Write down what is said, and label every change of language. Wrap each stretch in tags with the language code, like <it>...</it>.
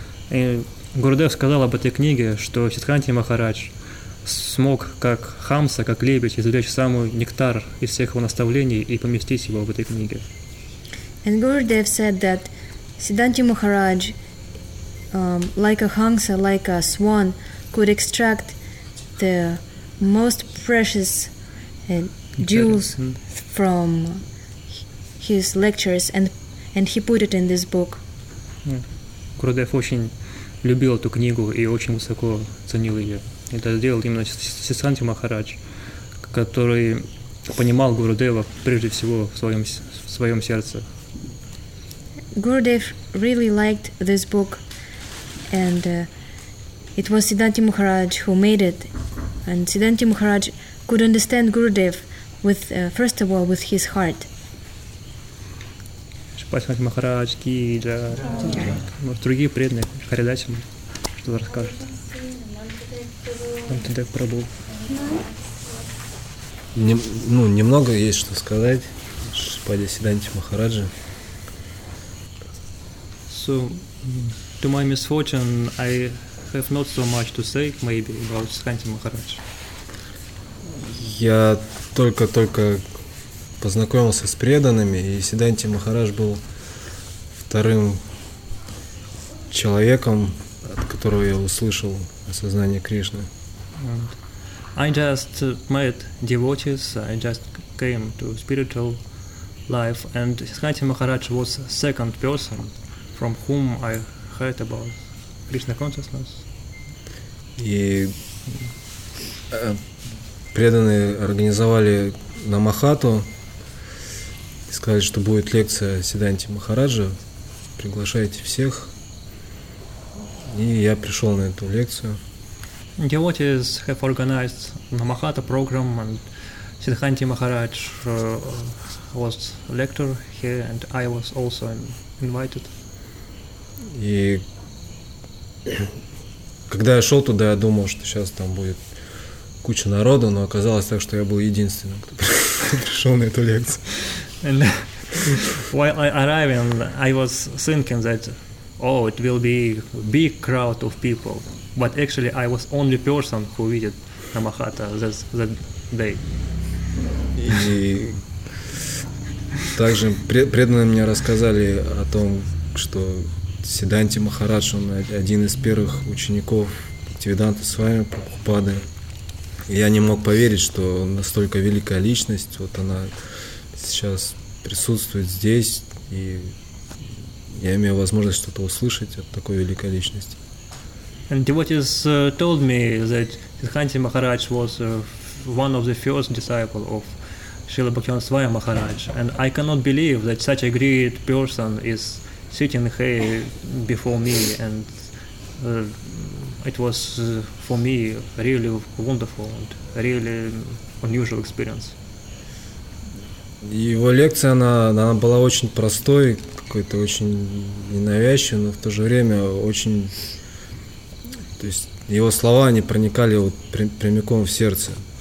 <ru>И Гурудев сказал об этой книге, что Сиддханти Махарадж смог, как хамса, как лебедь, извлечь самый нектар из всех его наставлений и поместить его в этой книге.</ru> <en>And Gurudev said that Siddhanti Maharaj, like a hamsa, like a swan, could extract the most precious jewels from his lectures and he put it in this book.</en> <ru>Гурудев очень любил эту книгу и очень высоко ценил ее. Это сделал именно Сиддханти Махарадж, который понимал Гурудева прежде всего в своем сердце.</ru> <en>Gurudev really liked this book, and it was Siddhanti Maharaj who made it. And Siddhanti Maharaj could understand Gurudev with first of all with his heart.</en> <ru>Сиддханти Махарадж ки да, может, другие преданные передать ему, что расскажет. Немного есть что сказать Шипаде Сиддханти Махараджи.</ru> <en>So, to my misfortune, I have not so much to say, maybe, about Сиддханти Махарадж.</en> <ru>Я только-только познакомился с преданными, и Сиддханти Махарадж был вторым человеком, от которого я услышал о сознании Кришны.</ru> <en>And I just met devotees, I just came to spiritual life, and Сиддханти Махарадж was second person from whom I heard about Krishna consciousness.</en> <ru>И преданные организовали на Махату и сказали, что будет лекция Сиддханти Махараджа, приглашайте всех. И я пришел на эту лекцию.</ru> <en>Devotees have organized Namahata program, and Siddhanti Maharaj was lector here, and I was also invited.</en> <ru>И когда я шел туда, я думал, что сейчас там будет куча народу, но оказалось так, что я был единственным, кто пришел на эту лекцию.</ru> <en>And while I arriving, I was thinking that, oh, it will be big crowd of people. But actually, I was only person who visited Namahata that day.</en> <ru>И также преданные мне рассказали о том, что Сиддханти Махарадж, он один из первых учеников Бхактивиданта Свами Прабхупады. Я не мог поверить, что настолько великая личность, вот она сейчас присутствует здесь, и я имею возможность что-то услышать от такой великой личности.</ru> <en>And devotees told me that Siddhanti Maharaj was one of the first disciples of Srila Bhaktivinoda Maharaj. And I cannot believe that such a great person is sitting here before me. And it was for me really wonderful and really unusual experience.</en> <ru>Его лекция, она была очень простой, какой-то очень ненавязчивой, но в то же время очень... То есть его слова, они проникали вот прямиком в сердце.</ru>